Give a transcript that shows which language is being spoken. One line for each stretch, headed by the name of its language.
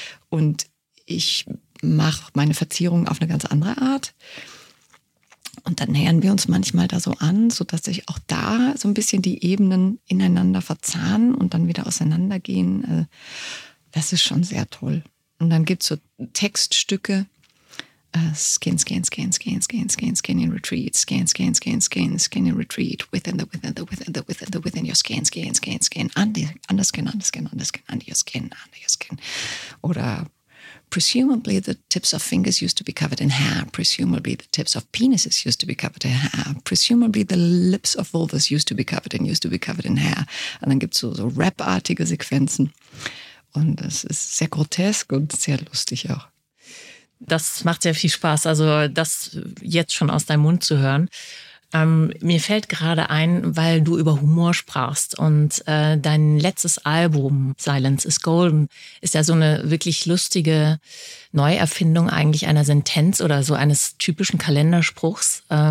German: Und ich mache meine Verzierungen auf eine ganz andere Art. Und dann nähern wir uns manchmal da so an, sodass sich auch da so ein bisschen die Ebenen ineinander verzahnen und dann wieder auseinandergehen. Das ist schon sehr toll. Und dann gibt es so Textstücke.
English: Scan, scan, scan, scan, scan, scan, scan in retreat. Scan, scan, scan, scan, scan in retreat. Within the, within the, within the, within the, within your scan, scan, scan, scan. Under skin, under skin, under skin, under your skin, under your skin.
German: Oder...
English: Presumably the tips of fingers used to be covered in hair. Presumably the tips of penises used to be covered in hair. Presumably the lips of vulvas used to be covered in hair.
German: Und dann gibt es so rap-artige Sequenzen. Und das ist sehr grotesk und sehr lustig auch. Das macht sehr viel Spaß, also das jetzt schon aus deinem Mund zu hören. Mir fällt gerade ein, weil du über Humor sprachst und dein letztes Album Silence is Golden ist ja so eine wirklich lustige Neuerfindung eigentlich einer Sentenz oder so eines typischen Kalenderspruchs.